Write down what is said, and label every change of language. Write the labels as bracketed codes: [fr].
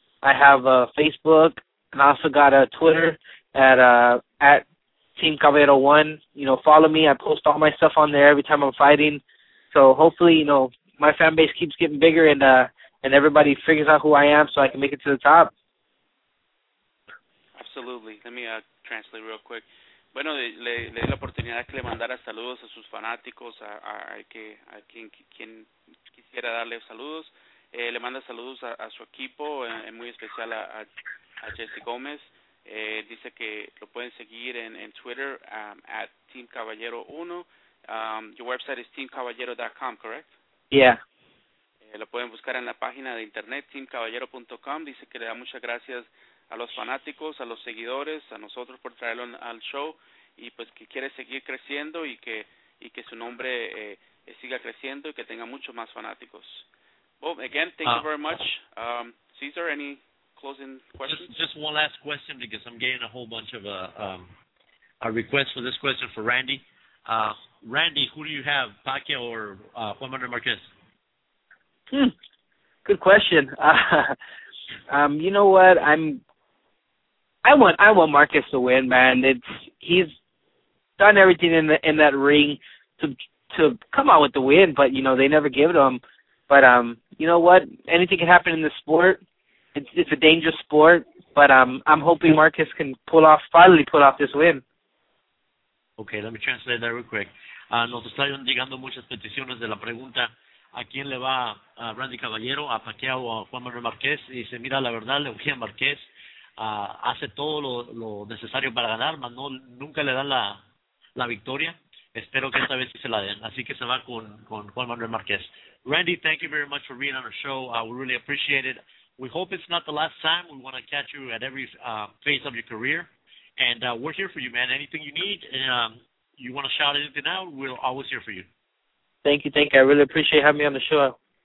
[en] I have a Facebook, and I also got a Twitter at Team Caballero 1. Follow me. I post all my stuff on there every time I'm fighting. So hopefully, my fan base keeps getting bigger and everybody figures out who I am so I can make it to the top. Absolutely. Let me translate real quick. [es] Bueno, le di la oportunidad que le mandara saludos a sus fanáticos, a quien quisiera darle saludos. Le manda saludos a su equipo, en muy especial a Jesse Gómez. Dice que lo pueden seguir en Twitter, at Team Caballero 1. [en] Your website is teamcaballero.com, correct? Yeah. [es] Lo pueden buscar en la página de internet, teamcaballero.com. Dice que le da muchas gracias a los fanáticos, a los seguidores, a nosotros por traerlo al show, y pues que quiere seguir creciendo y que su nombre siga creciendo y que tenga muchos más fanáticos. [en] Well, again, thank you very much. Cesar, any closing questions? Just one last question, because I'm getting a whole bunch of a request for this question for Randy. Randy, who do you have, Pacquiao or Juan Manuel Marquez? Good question. You know what? I want Marquez to win, man. He's done everything in that ring to come out with the win, but they never give it to him. But you know what? Anything can happen in this sport. It's a dangerous sport, but I'm hoping Marquez can finally pull off this win. Okay, let me translate that real quick. [es] Nos están llegando muchas peticiones de la pregunta. ¿A quién le va a Randy Caballero, a Pacquiao o a Juan Manuel Márquez? Y dice, mira, la verdad, le voy a Márquez. Hace todo lo necesario para ganar, mas no, nunca le dan la victoria. Espero que esta vez sí se la den. Así que se va con Juan Manuel Márquez. [en] Randy, thank you very much for being on our show. We really appreciate it. We hope it's not the last time. We want to catch you at every phase of your career. And we're here for you, man. Anything you need, and you want to shout anything out, we're always here for you. Thank you. I really appreciate having me on the show.